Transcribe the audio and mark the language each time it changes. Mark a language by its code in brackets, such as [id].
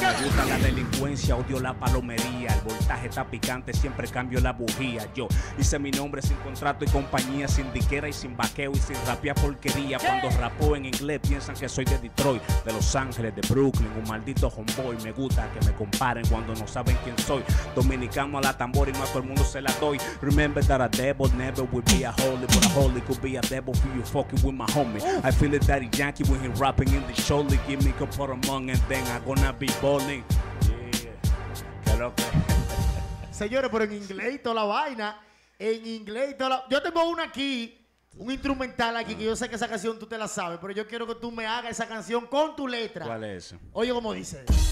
[es] Me gusta la delincuencia, odio la palomería. El voltaje está picante, siempre cambio la bujía. Yo hice mi nombre sin contrato y compañía, sin diquera y sin vaqueo y sin rapear porque cuando rapo en inglés piensan que soy de Detroit, de Los Ángeles, de Brooklyn, un maldito homeboy. Me gusta que me comparen cuando no saben quién soy. Dominicano a la tambora y no a todo el mundo se la doy. [en] Remember that a devil never would be a holy, but a holy could be a devil for you fucking with my homie. I feel it daddy Yankee when he rapping in the show. They give me a couple of money and then I gonna be balling. [es] Yeah, que lo que... Señores, pero en inglés y toda la vaina. En inglés y toda la... Yo tengo una aquí. Un instrumental aquí que yo sé que esa canción tú te la sabes, pero yo quiero que tú me hagas esa canción con tu letra. ¿Cuál es? Oye, ¿cómo dice?